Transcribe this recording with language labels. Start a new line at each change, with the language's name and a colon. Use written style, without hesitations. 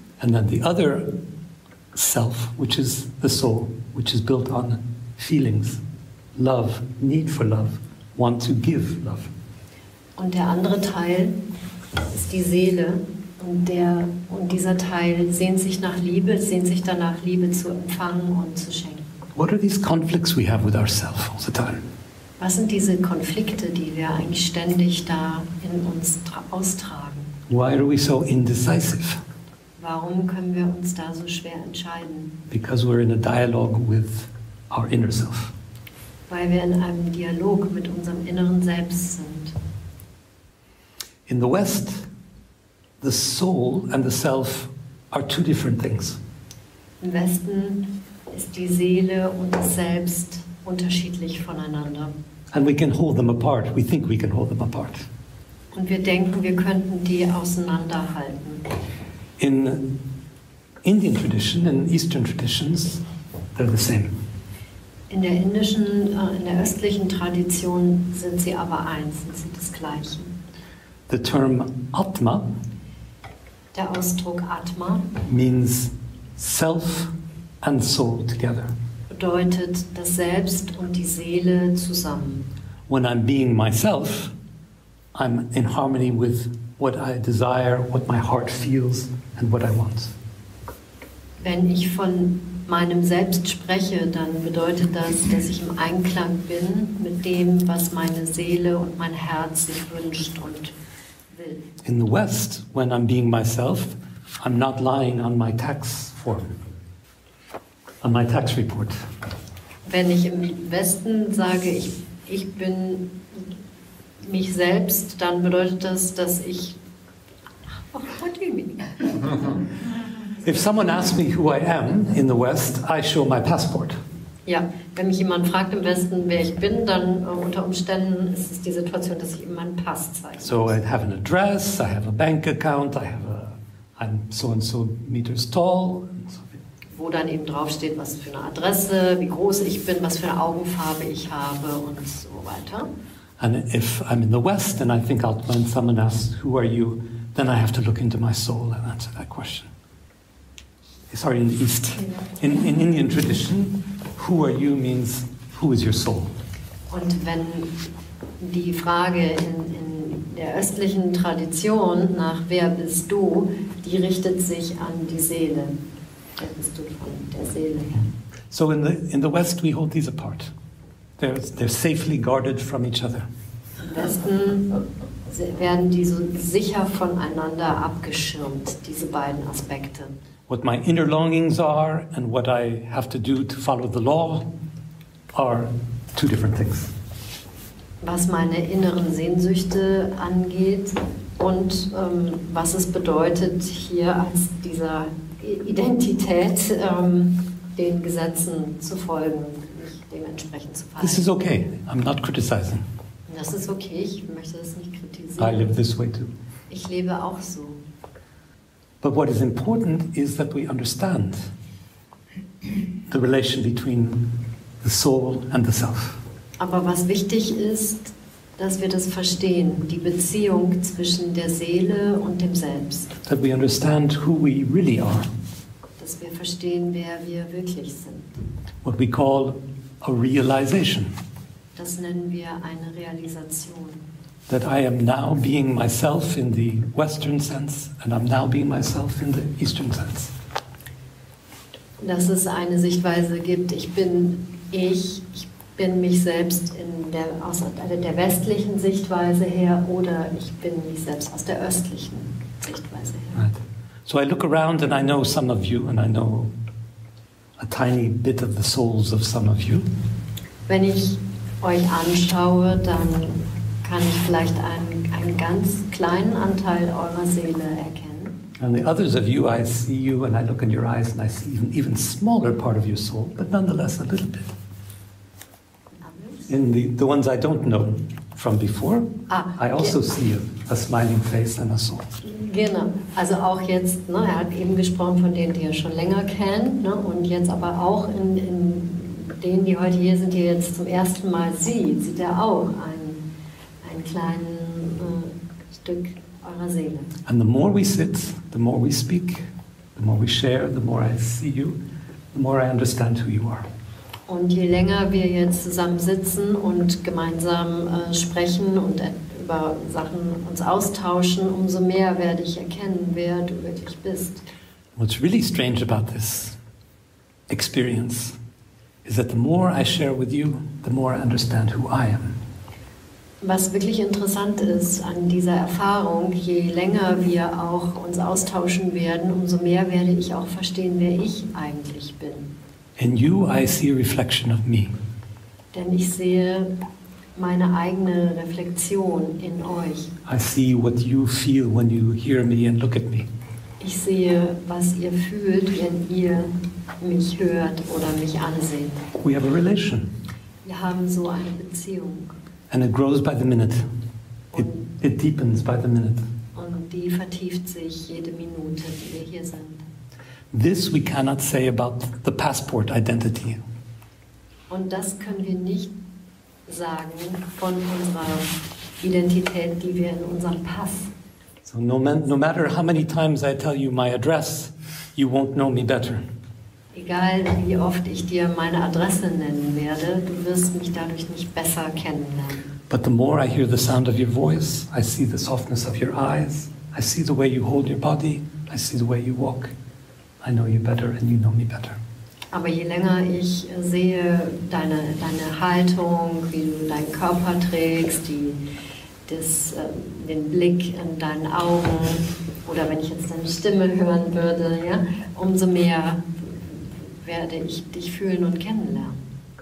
English: And then the other self, which is the soul, which is built on feelings, love, need for love, want to give love.
German: Und der andere Teil ist die Seele. Und dieser Teil sehnt sich nach Liebe, sehnt sich danach, Liebe zu empfangen und zu schenken.
English: What are these conflicts we have with ourselves all the time?
German: Was sind diese Konflikte, die wir eigentlich ständig da in uns austragen?
English: Why are we so indecisive?
German: Warum können wir uns da so schwer entscheiden?
English: Because we're in a dialogue with our inner self.
German: Weil wir in einem Dialog mit unserem inneren Selbst sind.
English: In the West, the soul and the self are two different things.
German: Im Westen ist die Seele und das Selbst unterschiedlich voneinander.
English: And we can hold them apart. We think we can hold them apart.
German: Und wir denken, wir könnten die auseinanderhalten.
English: In Indian tradition and Eastern traditions, they're the same.
German: In der indischen, in der östlichen Tradition sind sie aber eins, sind sie das Gleiche.
English: The term Atma.
German: Der Ausdruck Atma
English: means self and soul together.
German: Bedeutet das Selbst und die Seele zusammen.
English: When I'm being myself, I'm in harmony with what I desire, what my heart feels, and what I want.
German: Wenn ich von meinem Selbst spreche, dann bedeutet das, dass ich im Einklang bin mit dem, was meine Seele und mein Herz sich wünscht und will.
English: In the West, when I'm being myself, I'm not lying on my tax form, on my tax report.
German: Wenn ich im Westen sage, ich bin mich selbst, dann bedeutet das, dass ich.
English: Oh, what do you mean? If someone asks me who I am in the West, I show my passport.
German: Ja, wenn mich jemand fragt im Westen, wer ich bin, dann unter Umständen ist es die Situation, dass ich ihm meinen Pass zeige.
English: So I have an address, I have a bank account, I have a, I'm so and so meters tall. And so.
German: Wo dann eben draufsteht, was für eine Adresse, wie groß ich bin, was für eine Augenfarbe ich habe und so weiter.
English: And if I'm in the West and I think out when someone asks, who are you, then I have to look into my soul and answer that question. Sorry, in the East. In Indian tradition, who are you means who is your soul?
German: Und wenn die Frage in der östlichen Tradition nach wer bist du, die richtet sich an die Seele. Wer bist du von der Seele her?
English: So in the West we hold these apart. They're safely guarded from each other.
German: Im Westen werden die so sicher voneinander abgeschirmt, diese beiden Aspekte.
English: What my inner longings are and what I have to do to follow the law are two different things.
German: Was meine inneren Sehnsüchte angeht und was es bedeutet, hier als dieser Identität den Gesetzen zu folgen, mich dementsprechend zu verhalten.
English: This is okay. I'm not criticizing.
German: Das ist okay. Ich möchte das nicht kritisieren.
English: I live this way too.
German: Ich lebe auch so.
English: But what is important is that we understand the relation between the soul and the self.
German: Aber was wichtig ist, dass wir das verstehen, die Beziehung zwischen der Seele und dem Selbst.
English: That we understand who we really are.
German: Dass wir verstehen, wer wir wirklich sind.
English: What we call a realization.
German: Das nennen wir eine Realisation.
English: That I am now being myself in the Western sense and I'm now being myself in the Eastern sense.
German: Dass es eine Sichtweise gibt, ich bin mich selbst aus der westlichen Sichtweise her oder ich bin mich selbst aus der östlichen Sichtweise her.
English: Right. So I look around and I know some of you and I know a tiny bit of the souls of some of you.
German: Wenn ich euch anschaue, dann kann ich vielleicht einen ganz kleinen Anteil eurer Seele erkennen.
English: And the others of you, I see you and I look in your eyes and I see even smaller part of your soul, but nonetheless a little bit. In the ones I don't know from before, I also see you, a smiling face and a soul.
German: Genau. Also auch jetzt, ne, er hat eben gesprochen von denen, die er schon länger kennt, ne, und jetzt aber auch in denen, die heute hier sind, die er jetzt zum ersten Mal sieht, sieht er auch ein kleines Stück eurer Seele.
English: And the more we sit, the more we speak, the more we share, the more I see you, the more I understand who you are.
German: Und je länger wir jetzt zusammen sitzen und gemeinsam sprechen und über Sachen uns austauschen, umso mehr werde ich erkennen, wer du wirklich bist.
English: What's really strange about this experience is that the more I share with you, the more I understand who I am.
German: Was wirklich interessant ist an dieser Erfahrung, je länger wir auch uns austauschen werden, umso mehr werde ich auch verstehen, wer ich eigentlich bin.
English: In you I see a reflection of me.
German: Denn ich sehe meine eigene Reflexion in euch.
English: I see what you feel when you hear me and look at me.
German: Ich sehe, was ihr fühlt, wenn ihr mich hört oder mich anseht.
English: We have a relation.
German: Wir haben so eine Beziehung.
English: And it grows by the minute. It deepens by the minute.
German: Und die vertieft sich jede Minute, die wir hier sind.
English: This we cannot say about the passport identity.
German: Und das können wir nicht sagen von unserer Identität, die wir in unserem Pass.
English: So no matter how many times I tell you my address, you won't know me better.
German: Egal wie oft ich dir meine Adresse nennen werde, du wirst mich dadurch nicht besser kennenlernen.
English: But the more I hear the sound of your voice, I see the softness of your eyes, I see the way you hold your body, I see the way you walk. I know you better and you know me better.
German: Aber je länger ich sehe deine Haltung, wie du deinen Körper trägst, den Blick in deinen Augen oder wenn ich jetzt deine Stimme hören würde, ja, umso mehr werde ich dich fühlen und kennenlernen.